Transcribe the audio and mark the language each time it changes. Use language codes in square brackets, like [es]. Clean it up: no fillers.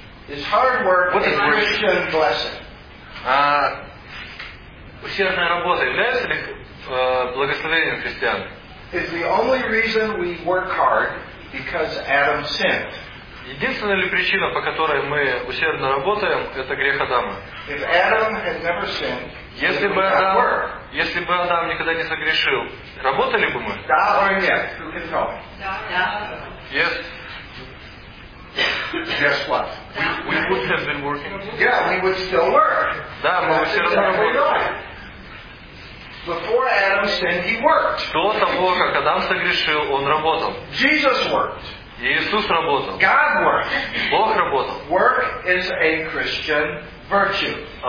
[en] Is hard work a Christian blessing? [ru] Усердная работа является ли благословением христиан? [en] Is the only reason we work hard because Adam sinned? [ru] Единственная ли причина, по которой мы усердно работаем, это грех Адама? [en] If Adam had never sinned, [ru] если бы Адам никогда не согрешил, работали бы мы? Да или нет? [en] Who can tell me? [ru] Да. [en] Yes. Guess what? We would have been working. Yeah, we would still work. [ru] Да, мы бы все равно работали. [en] Before Adam sinned, he worked. [ru] До того, как Адам согрешил, он работал. [en] Jesus worked. [ru] Иисус работал. [en] God worked. [ru] Бог работал. [en] Work is a Christian virtue.